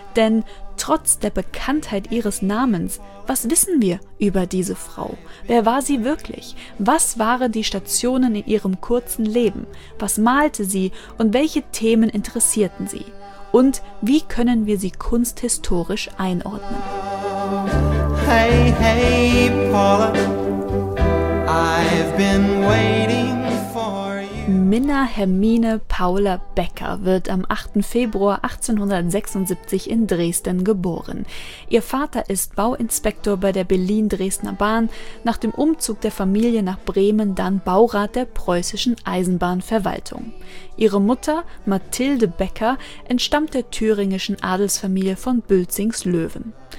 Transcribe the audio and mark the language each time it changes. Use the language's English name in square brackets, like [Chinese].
[German] Denn trotz der Bekanntheit ihres Namens, was wissen wir über diese Frau? Wer war sie wirklich? Was waren die Stationen in ihrem kurzen Leben? Was malte sie und welche Themen interessierten sie? Und wie können wir sie kunsthistorisch einordnen? [English] Hey, hey, Paula. I've been waiting for you. [German] Minna Hermine Paula Becker wird am 8. Februar 1876 in Dresden geboren. Ihr Vater ist Bauinspektor bei der Berlin-Dresdner Bahn, nach dem Umzug der Familie nach Bremen dann Baurat der preußischen Eisenbahnverwaltung. Ihre Mutter, Mathilde Becker, entstammt der thüringischen Adelsfamilie von Bülzings Löwen.